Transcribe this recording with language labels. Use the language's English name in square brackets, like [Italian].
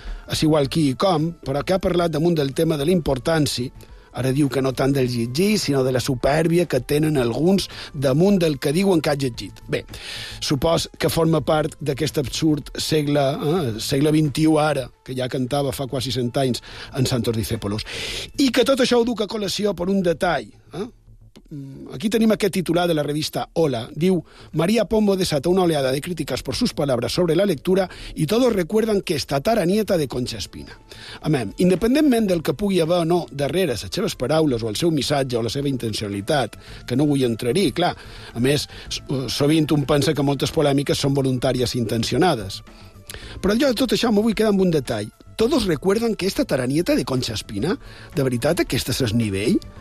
[Catalan] És igual qui i com, però que ha parlat damunt del tema de la importància, ara diu que no tant del llegir, sinó de la supèrbia que tenen alguns damunt del que diuen que ha llegit. Bé, supos que forma part d'aquest absurd segle XXI ara, que ja cantava fa quasi 100 anys en Santos Discépolos. I que tot això ho duc a col·lació per un detall. Aquí tenim aquest titular de la revista Hola. [Spanish] Diu: María Pombo desata una oleada de críticas por sus palabras sobre la lectura y todos recuerdan que está tataranieta de Concha Espina. [Catalan] Amén. Independentment del que pugui haver o no darrere les seves paraules o el seu missatge o la seva intencionalitat, que no vull entrar-hi, clar. A més, sovint un pensa que moltes polèmiques són voluntàries i intencionades. Però jo de tot això m'ho vull quedar amb un detall. [Spanish] Todos recuerdan que esta taranieta de Concha Espina, [Catalan] de veritat, aquest és el nivell?